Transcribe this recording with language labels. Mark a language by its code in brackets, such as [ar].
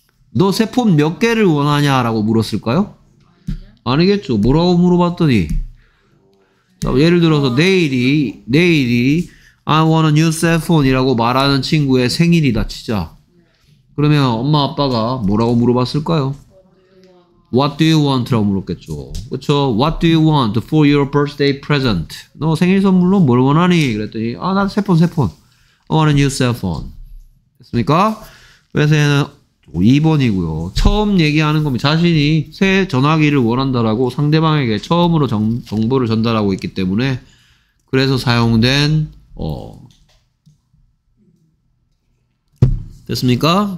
[ko] 너 새 폰 몇 개를 원하냐? 라고 물었을까요? 아니겠죠. 뭐라고 물어봤더니, 자, 예를 들어서 내일이 [en] I want a new cell phone [ko] 이라고 말하는 친구의 생일이다 치자. 그러면 엄마 아빠가 뭐라고 물어봤을까요? [en] What do you want? [ko] 라고 물었겠죠. 그렇죠. [en] What do you want for your birthday present? [ko] 너 생일 선물로 뭘 원하니? 그랬더니 아, 난 새 폰. [en] I want a new cell phone. [ko] 됐습니까? 그래서 얘는 2번이고요. 처음 얘기하는 겁니다. 자신이 새 전화기를 원한다라고 상대방에게 처음으로 정보를 전달하고 있기 때문에 그래서 사용된 됐습니까?